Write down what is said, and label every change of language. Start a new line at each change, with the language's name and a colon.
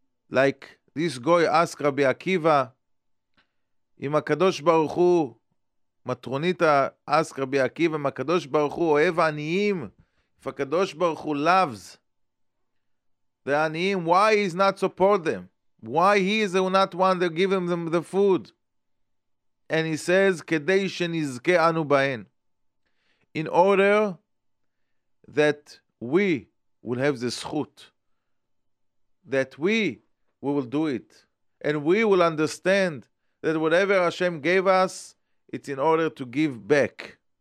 English: Like this guy asked Rabbi Akiva,
Hebrew: אם הקדוש ברוך הוא, מטרונית אסק רבי עקיבא, אם הקדוש ברוך הוא אוהב עניים, if הקדוש ברוך הוא loves the עניים,
English: why he is not support them? Why he is the not one that give them the food? And he says,
Hebrew: כדי שנזכה אנו בהן.
English: In order that we will have the זכות, that we will do it, and we will understand that whatever Hashem gave us, it's in order to give back.